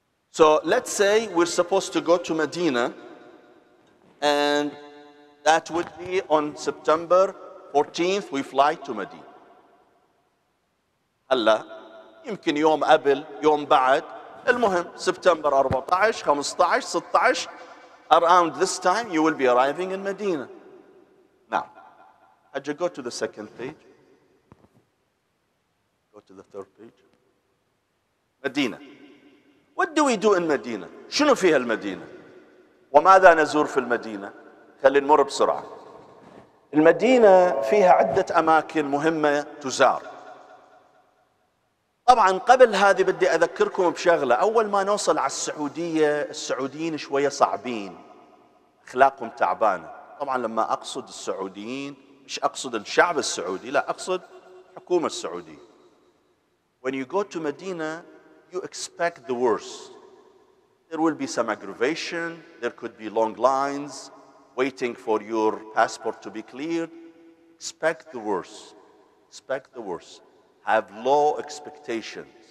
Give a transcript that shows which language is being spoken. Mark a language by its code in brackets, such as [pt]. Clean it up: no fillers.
[en] so let's say we're supposed to go to Medina and that would be on September 14th we fly to Medina [ar] هلا يمكن يوم قبل يوم بعد المهم [en] سبتمبر 14 15 16 around this time you will be arriving in Medina now had you go to the second page go to the third page Medina what do we do in Medina [ar] شنو فيها المدينة وماذا نزور في المدينة خلينا نمر بسرعة المدينة فيها عدة أماكن مهمة تزار. طبعا قبل هذه بدي أذكركم بشغلة، أول ما نوصل على السعودية، السعوديين شوية صعبين، أخلاقهم تعبانة. طبعا لما أقصد السعوديين مش أقصد الشعب السعودي، لا أقصد حكومة السعودية. [en] When you go to Medina, you expect the worst. There will be some aggravation, there could be long lines waiting for your passport to be cleared. Expect the worst. Expect the worst. Have low expectations.